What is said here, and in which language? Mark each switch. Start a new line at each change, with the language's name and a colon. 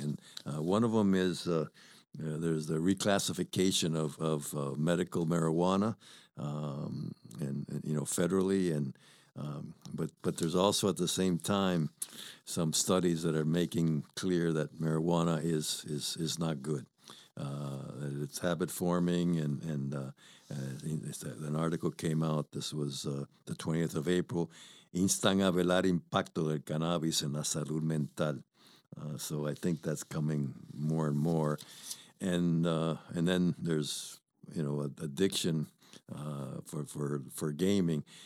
English: And one of them is there's the reclassification of medical marijuana, and federally. And but there's also at the same time some studies that are making clear that marijuana is not good. It's habit forming, and an article came out. This was the 20th of April.
Spanish: Instan a velar impacto del cannabis en la salud mental.
English: So I think that's coming more and more. And then there's addiction for gaming.